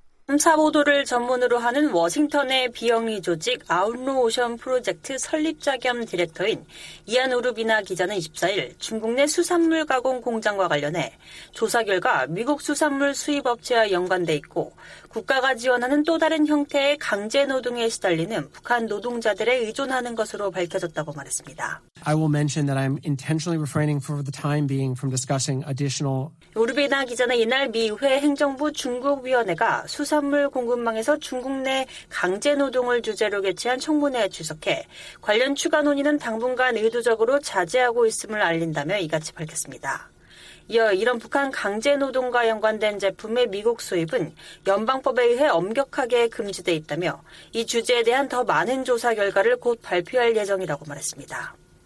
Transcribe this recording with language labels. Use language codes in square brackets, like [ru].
[ko] 탐사 보도를 전문으로 하는 워싱턴의 비영리 조직 아웃로우션 프로젝트 설립자 겸 디렉터인 이안 우르비나 기자는 24일 중국 내 수산물 가공 공장과 관련해 조사 결과 미국 수산물 수입 업체와 연관돼 있고 국가가 지원하는 또 다른 형태의 강제 노동에 시달리는 북한 노동자들에 의존하는 것으로 밝혀졌다고 말했습니다. [en] I will mention that I'm intentionally refraining for the time being from discussing additional. [ko] 우르비나 기자는 이날 미 의회 행정부 중국위원회가 수산물 공급망에서 중국 내 강제 노동을 주제로 개최한 청문회에 출석해 관련 추가 논의는 당분간 의도적으로 자제하고 있음을 알린다며 이같이 밝혔습니다. 이어 이런 북한 강제 노동과 연관된 제품의 미국 수입은 연방법에 의해 엄격하게 금지돼 있다며 이 주제에 대한 더 많은 조사 결과를 곧 발표할 예정이라고 말했습니다.